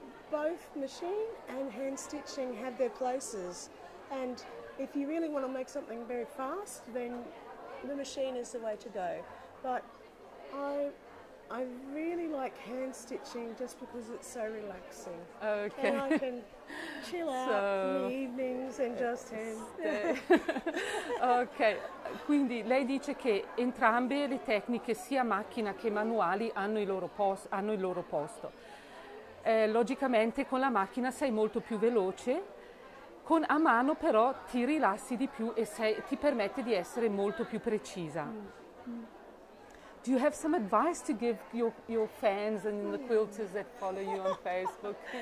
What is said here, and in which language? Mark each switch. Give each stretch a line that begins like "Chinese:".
English: Both machine and hand stitching have their places, and if you really want to make something very fast, then the machine is the way to go. But I really like hand stitching just because it's so relaxing. Okay. And I can chill out in the evenings and just hand.
Italian: Ok, quindi lei dice che entrambe le tecniche, sia macchina che manuali, hanno il loro posto. Logicamente con la macchina sei molto più veloce, con a mano però ti rilassi di più e ti permette di essere molto più precisa.
English: Do you have some advice to give your fans and the quilters that follow you on Facebook?